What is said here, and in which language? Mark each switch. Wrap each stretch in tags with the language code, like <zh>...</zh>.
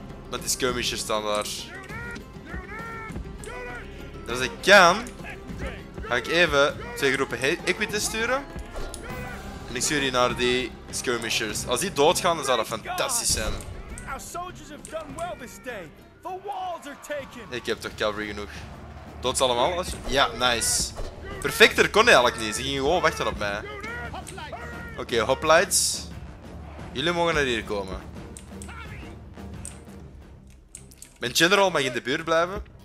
<nl>Met die skirmishers staan daar. Als ik kan, ga ik even twee groepen equites sturen. En ik stuur die naar die skirmishers. Als die doodgaan, dan zou dat fantastisch zijn.</nl> <en>Our soldiers have done well this day. The walls are taken.</en> <nl>Ik heb toch cavalry genoeg. Dood ze allemaal? Ja, nice. Perfecter kon hij eigenlijk niet. Ze gingen gewoon wachten op mij. Oké, hoplites. Jullie mogen naar hier komen. Mijn general mag in de buurt blijven.</nl>